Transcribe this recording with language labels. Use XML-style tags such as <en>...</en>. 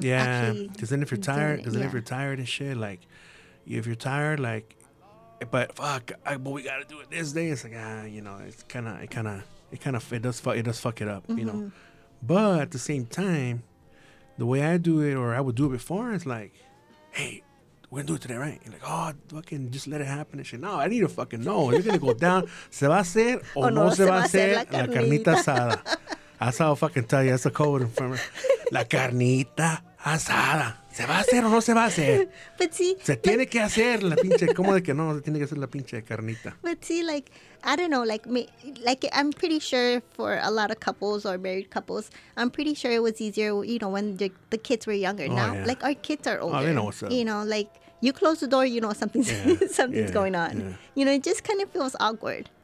<en>Because then if you're tired, if you're tired and shit, like, if you're tired, like, but fuck, but we got to do it this day. It's like, you know, it's kind of, it does fuck it up, you know? But at the same time, the way I do it or I would do it before is like, hey, we're going to do it today, right? You're like, oh, fucking just let it happen and shit. No, I need to fucking know. You're going to go down.</en> <es>Se va a hacer o no se va a hacer la carnita asada.</es> <en>That's how I fucking tell you. That's a code in front of me.</en> <es>La carnita asada. Se va a hacer o no se va a hacer.</es> <en>But see.</en> <es>Se tiene que hacer la pinche. ¿Cómo de que no? Se tiene que hacer la pinche carnita.</es> <en>But see, like. I don't know, like, I'm pretty sure for a lot of couples or married couples, I'm pretty sure it was easier, you know, when the kids were younger. Oh, now, like, our kids are older. Oh, they know what's up. You know, like, you close the door, you know something's going on. Yeah. You know, it just kind of feels awkward.</en>